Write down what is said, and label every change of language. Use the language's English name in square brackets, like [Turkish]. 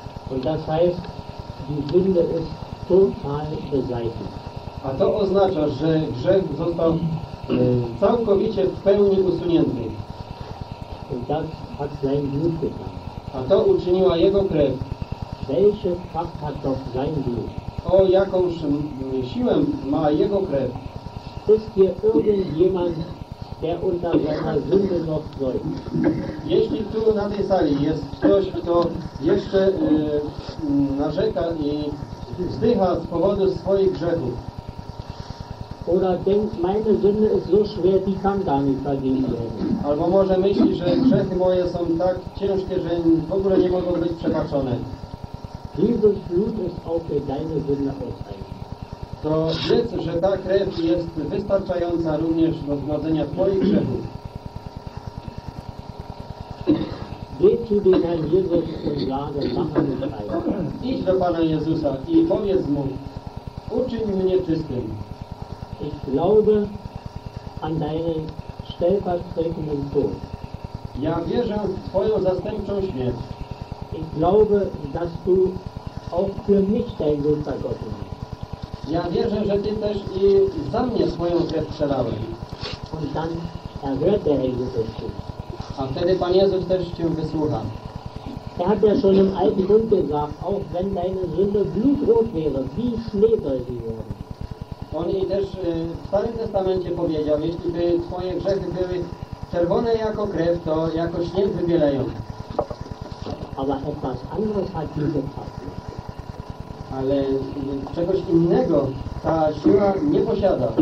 [German] Und das heißt, die Sünde ist total beseitigt. [Polish] A to oznacza, że grzech został całkowicie w pełni usunięty. [German] Und das hat sein Blut getan. [Polish] A to uczyniła jego krew. [German] Welche Kraft hat doch sein Blut? [Polish] O jakąż siłę ma jego krew? [German] Ist hier irgendjemand, der unter seiner Sünde noch säumt? [Polish] Jeśli tu na tej sali jest ktoś, kto jeszcze narzeka i wzdycha z powodu swoich grzechów. [German] Oder denkt, meine Sünde ist so schwer, die kann gar nicht vergeben werden. [Polish] Albo może myśli, że grzechy moje są tak ciężkie, że w ogóle nie mogą być przebaczone. [German] Jesus Blut ist auch für deine Sünde ausreichend. [Polish] To wiedz, że ta krew jest wystarczająca również do zgładzenia twoich grzechów. [German] Geh zu dem Herrn Jesus und sage, mach mich rein. [Polish] Idź do Pana Jezusa i powiedz mu, uczyń mnie czystym. [German] Ich glaube an deinen stellvertretenden Tod. [Polish] Ja wierzę w twoją zastępczą śmierć. [German] Ich glaube, dass du auch für mich dein Blut vergossen hast. [Polish] Ja wierzę, że ty też i za mnie swoją krew przelałeś. [German] Und dann erhört der Herr Jesus dich. [Polish] A wtedy Pan Jezus też cię wysłucha. [German] Er hat ja schon im alten Bund gesagt, auch wenn deine Sünde blutrot wäre, wie Schnee soll sie werden. [Polish] On i też w Starym Testamencie powiedział, jeśli by twoje grzechy były czerwone jako krew, to jako śnieg wybieleją. [German] Aber etwas anderes hat diese Kraft. [Polish] Ale czegoś innego ta siła nie posiada.